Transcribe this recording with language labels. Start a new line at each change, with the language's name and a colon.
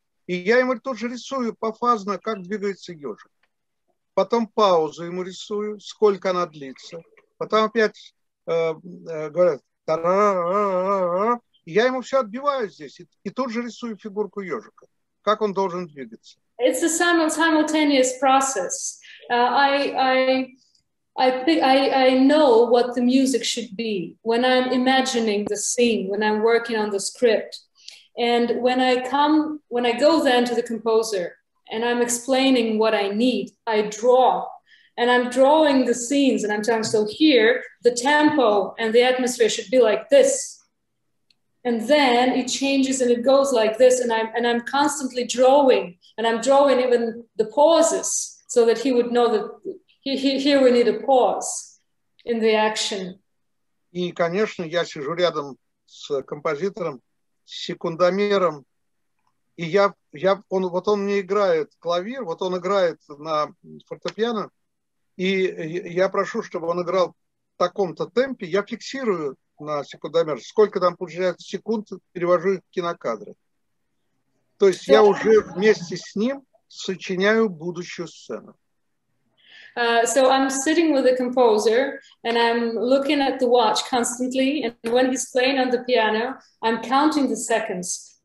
Russian: И я ему тут же рисую пофазно, как двигается ежик. Потом паузу ему рисую, сколько она длится. Потом опять говорят, та-ра-ра-ра-ра-ра. И я ему все отбиваю здесь и тут же рисую фигурку ежика, как он должен двигаться.
English: It's a simultaneous process. I know what the music should be when I'm imagining the scene, when I'm working on the script. And when I go then to the composer and I'm explaining what I need, I draw. And I'm drawing the scenes and I'm saying, so here, the tempo and the atmosphere should be like this. And then it changes and it goes like this, and I'm constantly drawing, and I'm drawing even the pauses so that he would know that here we need a pause in the action.
Russian: И, конечно, я сижу рядом с композитором, с секундомером, и он мне играет клавир, вот он играет на фортепиано, и я прошу, чтобы он играл в таком-то темпе, я фиксирую на секундомер, сколько там получается секунд, перевожу их в кинокадры. То есть я уже вместе с ним сочиняю будущую сцену.
English: So I'm sitting with the composer and I'm looking at the watch constantly. And when he's playing on the piano, I'm counting the seconds.